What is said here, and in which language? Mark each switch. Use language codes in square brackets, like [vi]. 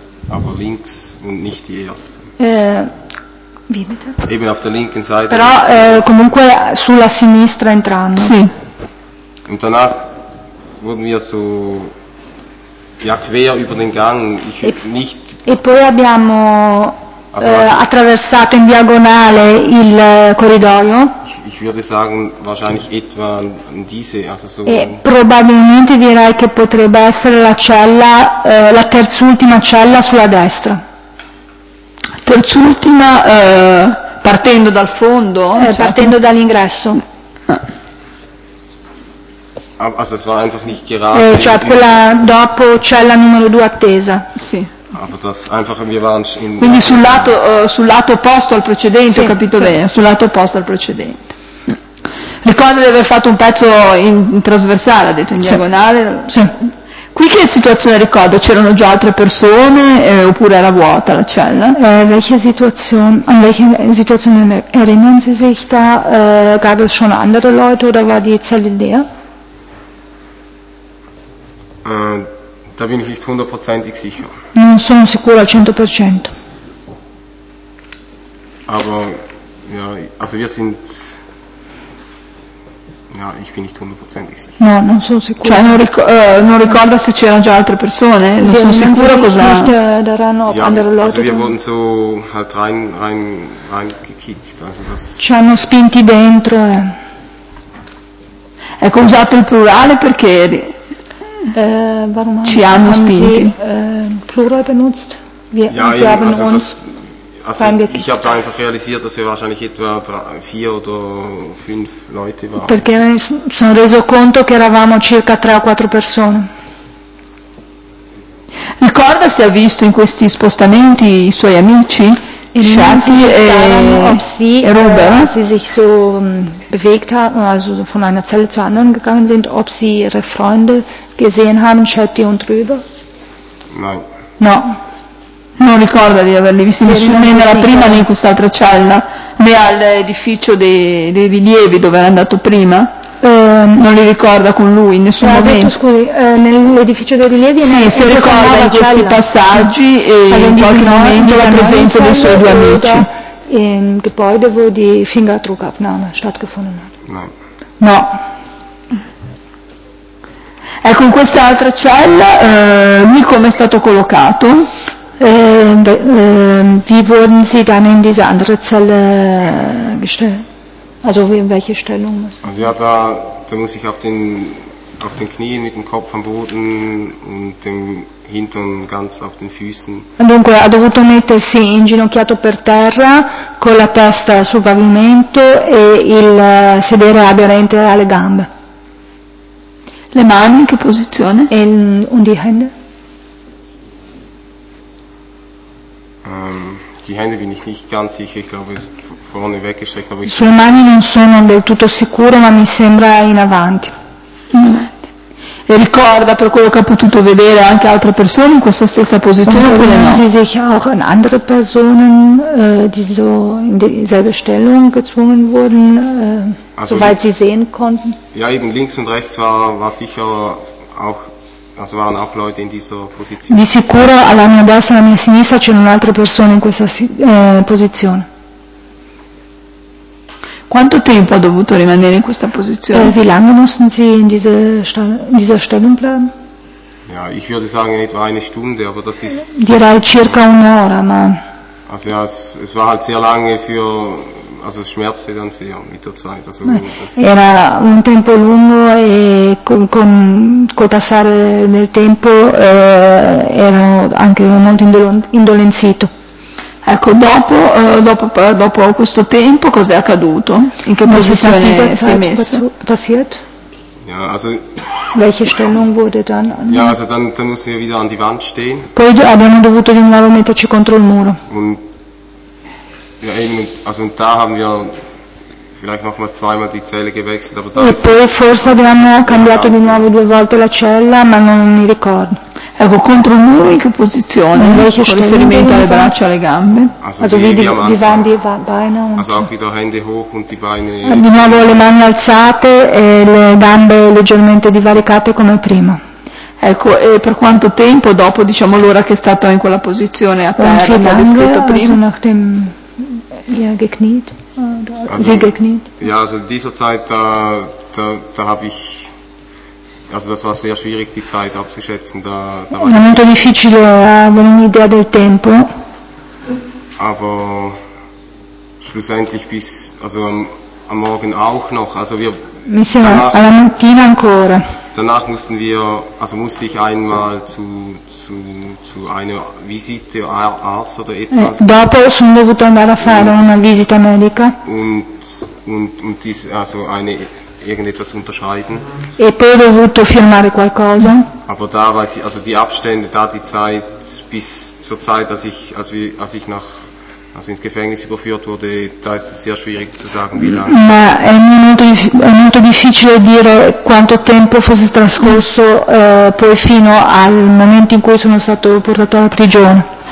[de] Aber links und nicht die erste. Wie bitte? Eben auf der linken Seite. [it] Però, comunque sulla sinistra entrando. Sì. [de] Und danach wurden wir so ja quer über den Gang. [it] E poi abbiamo attraversato in diagonale il corridoio. [de] Ich würde sagen wahrscheinlich etwa diese, also so. [it] E probabilmente direi che potrebbe essere la cella, la terz'ultima cella sulla destra. Terz'ultima, partendo dal fondo, certo. Partendo dall'ingresso. [de] Also es war einfach nicht gerade. [it] Cioè quella dopo cella numero 2 attesa. Sì. [de] Aber das einfach, wir waren in [it] quindi sul lato, sul lato opposto al precedente, sì, ho capito, sì, bene, sul lato opposto al precedente. Ricorda di aver fatto un pezzo in trasversale, ha detto in, sì, diagonale. Sì. Qui che situazione ricorda? C'erano già altre persone, oppure era vuota la cella? [de] Welche Situation? An welche Situation erinnern Sie sich da? Gab es schon andere Leute oder war die Zelle leer? Da bin ich nicht hundertprozentig sicher. [it] Non sono sicuro al 100%. [de] Aber ja, also wir sind ja, ich bin nicht hundertprozentig sicher. [it] No, non sono sicuro. Cioè non ricorda se c'erano già altre persone, sì, non sono sicuro cosa. [de] Nicht, daran, ob ja, andere Leute. Also wir wurden so halt rein gekickt, also das. [it] Ci hanno spinti dentro. Ecco, ho usato il plurale perché [de] warum [it] ci hanno spinti. [de] Plural benutzt? Wir haben uns. Also ich habe da einfach realisiert, dass wir wahrscheinlich etwa 3, 4 oder 5 Leute waren. [it] Perché mi sono reso conto che eravamo circa 3 o 4 persone. Ricorda se ha visto in questi spostamenti i suoi amici, Shanti e Ruben? [de] Sie sich so bewegt haben, also von einer Zelle zur anderen gegangen sind, ob sie ihre Freunde gesehen haben, Shanti und Ruben? Nein. [it] No. Non ricorda di averli visti né nella prima né in quest'altra cella, né all'edificio dei rilievi dove era andato prima? Non li ricorda con lui in nessun momento. Detto, scusi, nell'edificio dei rilievi? Sì, si ricorda in questi cella. Passaggi e in qualche momento la presenza dei suoi due amici. [de] In Gebäude, wo die Fingerabdruckabnahme stattgefunden hat. [it] No. Ecco, in quest'altra cella, lì come è stato collocato? [de] Wie wurden Sie dann in diese andere Zelle gestellt? Also wie, in welche Stellung? Also ja, da muss ich auf den Knien mit dem Kopf am Boden und dem Hintern ganz auf den Füßen. [it] Dunque, ha dovuto mettersi inginocchiato per terra con la testa sul pavimento e il sedere aderente alle gambe. Le mani in che posizione? [de] Und die Hände? Die Hände bin ich nicht ganz sicher, ich glaube, vorne weggestreckt, aber ich. [it] Sulle mani non sono del tutto sicuro, ma mi sembra in avanti. E ricorda, per quello che ha potuto vedere, anche altre persone in questa stessa posizione, [de] und [it] oppure no? [de] Sie sich auch an andere Personen, die so in dieselbe Stellung gezwungen wurden, also soweit sie sehen konnten? Ja, eben links und rechts war sicher auch. Also waren auch Leute in dieser Position. [it] Di sicuro alla mia destra e alla mia sinistra c'erano altre persone in questa posizione. Quanto tempo ha dovuto rimanere in questa posizione? [de] Wie lange mussten Sie in dieser Stellung bleiben? Ja, ich würde sagen etwa eine Stunde, aber das ist. [it] Direi circa un'ora, ma. [de] Also ja, es war halt sehr lange für. Also es schmerzte dann sehr mit der Zeit. Also, [it] era un tempo lungo e col passare del tempo ero anche molto indolenzito. Ecco, dopo questo tempo cos'è accaduto? In che posizione si è messo? [de] Passiert? Ja, also. Welche Stellung wurde dann? Ja, also dann mussten wir wieder an die Wand stehen. [it] Poi abbiamo dovuto di nuovo metterci contro il muro. [de] Ja, also da haben wir vielleicht nochmals zweimal die Zelle gewechselt, aber da [it] e poi forse abbiamo cambiato di nuovo 2 volte la cella, ma non mi ricordo. Ecco, contro il muro in che posizione? [de] In welche [it] con riferimento alle braccia, alle gambe? [de] Also wie waren die Beine? Also auch wieder Hände hoch und die Beine. [it] Di nuovo le mani alzate e le gambe leggermente divaricate come prima. Ecco, e per quanto tempo dopo, diciamo, l'ora che è stato in quella posizione a terra, [de] wie [it] che [de] lange, [it] ha descritto prima? [de] Also nach dem, ja, gekniet, also, sie gekniet. Ja, also in dieser Zeit, da habe ich, also das war sehr schwierig, die Zeit abzuschätzen. [it] Da war molto difficile avere un'idea del tempo. [de] Aber schlussendlich bis, also am Morgen auch noch, also wir... [it] Mi sembra, alla mattina ancora. [de] Danach mussten wir, also musste ich einmal zu einer Visite Arzt oder etwas. [it] Dopo sono dovuto andare a fare una visita medica. [de] Und dies, also eine, irgendetwas unterschreiben. [it] E poi ho dovuto firmare qualcosa. [de] Aber da weiß ich, also die Abstände, da die Zeit bis zur Zeit, als ich nach, also ins Gefängnis überführt wurde, da ist es sehr schwierig zu sagen, wie lange. [it] Ma è molto difficile dire quanto tempo fosse trascorso poi fino al momento in cui sono stato portato alla prigione.